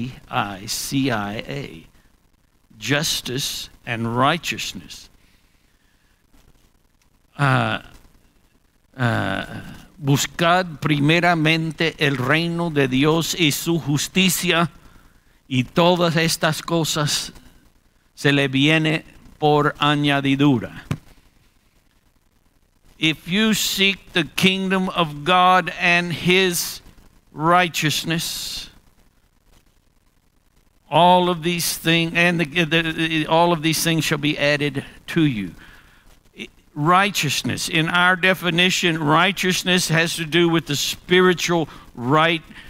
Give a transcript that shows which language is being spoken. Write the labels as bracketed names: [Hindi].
[English] J-U-S-T-I-C-I-A. Justice and righteousness. [Spanish] Buscad primeramente el reino de Dios y su justicia, y todas estas cosas se le viene por añadidura. [English] If you seek the kingdom of God and his righteousness, all of these things and all of these things shall be added to you. Righteousness, in our definition, righteousness has to do with the spiritual right.